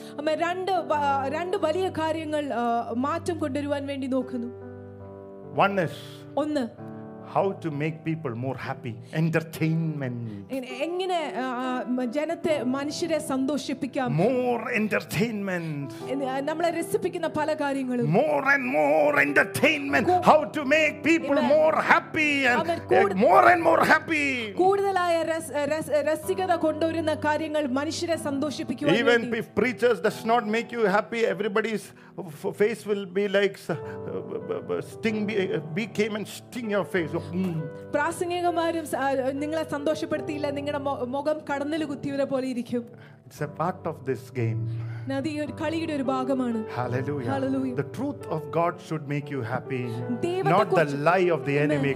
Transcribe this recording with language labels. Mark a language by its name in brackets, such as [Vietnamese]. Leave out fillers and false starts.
[Malayalam] അമ്മ രണ്ട് വലിയ കാര്യങ്ങൾ മാറ്റം കൊണ്ടുവരാൻ വേണ്ടി നോക്കുന്നു. [English] One is [Malayalam] ഒന്ന് [English] how to make people more happy, entertainment. [Malayalam] എങ്ങനെ ജനത്തെ മനുഷ്യരെ സന്തോഷിപ്പിക്കാം. [English] More entertainment. [Malayalam] നമ്മളെ രസിപ്പിക്കുന്ന പല കാര്യങ്ങളും. [English] More and more entertainment. How to make people more happy and more happy. [Malayalam] കൂടുതലായ രസികത കൊണ്ടുവരുന്ന കാര്യങ്ങൾ മനുഷ്യരെ സന്തോഷിപ്പിക്കുവാൻ വേണ്ടി. [English] Even if preachers does not make you happy, everybody's face will be like sting bee came and sting your face. [Malayalam] പ്രാസംഗികമാരും നിങ്ങളെ സന്തോഷപ്പെടുത്തിയില്ല, നിങ്ങളുടെ മുഖം കടന്നിൽ കുത്തിയവരെ പോലെ ഇരിക്കും. [English] It's a part of this game. Hallelujah. The truth of God should make you happy, not the lie of the enemy.